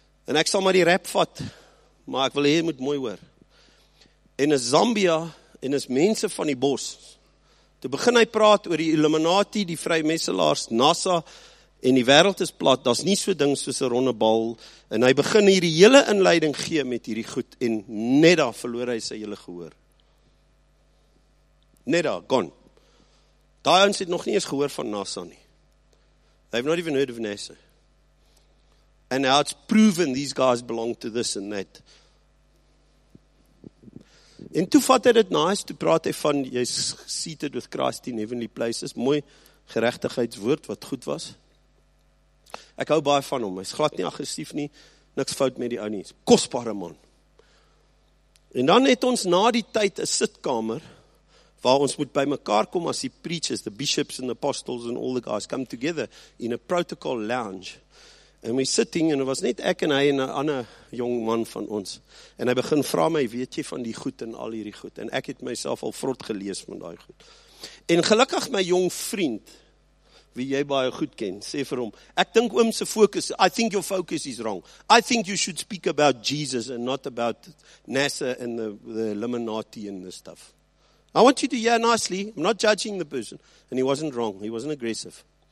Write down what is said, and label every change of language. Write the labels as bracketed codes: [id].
[af] En ek sal maar die rap vat, maar ek wil hê julle moet mooi hoor. En is Zambia, en is mense van die bos, toe begin hy praat oor die Illuminati, die vrymesselaars, NASA, en die wereld is plat, daar's nie so ding soos 'n ronde bal, en hy begin hierdie hele inleiding gee met hierdie goed, en net daar verloor hy sy hele gehoor. Net daar, gone. Daai ons het nog nie eens gehoor van NASA nie. [en] They have not even heard of NASA. And now it's proven these guys belong to this and that. [af] En toe vat hy dit nice, toe praat hy van, jy's [en] seated with Christ in heavenly places, [af] mooi geregtigheidswoord wat goed was. Ek hou baie van hom, hy's glad nie aggressief nie, niks fout met die ou nie, kosbare man. En dan het ons na die tyd 'n sitkamer, waar ons moet by mekaar kom as die preachers, [en] the bishops and the apostles and all the guys come together in a protocol lounge. [af] En we sitting, en het was net ek en hy en 'n ander jong man van ons. En hy begin vra my, weet jy van die goed en al hierdie goed? En ek het myself al vrot gelees van die goed. En gelukkig my jong vriend, wie jy baie goed ken, sê vir hom, ek dink oom se focus, [en] I think your focus is wrong. I think you should speak about Jesus and not about NASA and the Illuminati and this stuff. I want you to hear nicely. I'm not judging the person. And he wasn't wrong. He wasn't aggressive.